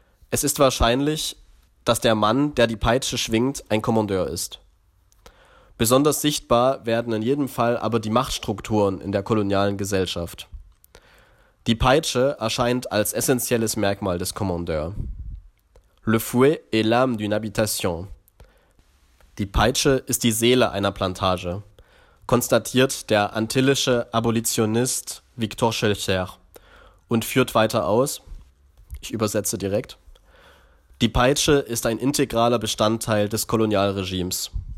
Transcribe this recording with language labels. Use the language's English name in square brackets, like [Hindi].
[German] Es ist wahrscheinlich, dass der Mann, der die Peitsche schwingt, ein Kommandeur ist. Besonders sichtbar werden in jedem Fall aber die Machtstrukturen in der kolonialen Gesellschaft. Die Peitsche erscheint als essentielles Merkmal des Kommandeurs. [French] Le fouet est l'âme d'une habitation. [German] Die Peitsche ist die Seele einer Plantage, konstatiert der antillische Abolitionist Victor Schœlcher und führt weiter aus, ich übersetze direkt, die Peitsche ist ein integraler Bestandteil des Kolonialregimes.